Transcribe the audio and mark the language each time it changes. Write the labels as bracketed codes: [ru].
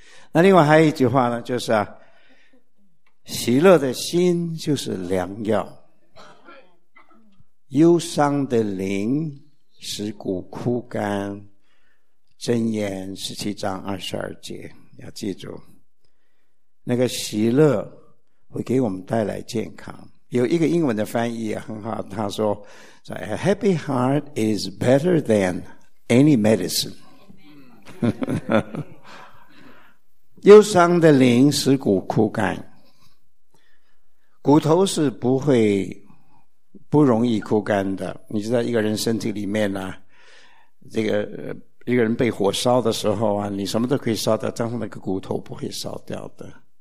[zh] 那另外还有一句话呢，就是啊，喜乐的心就是良药，忧伤的灵使骨枯干，箴言17:22，要记住那个喜乐会给我们带来健康。有一个英文的翻译也很好，他说 [en] A happy heart is better than any medicine。 [zh] 忧伤的灵使骨枯干，骨头是不会不容易枯干的。你知道一个人身体里面啊，这个一个人被火烧的时候啊，你什么都可以烧掉，但是那个骨头不会烧掉的。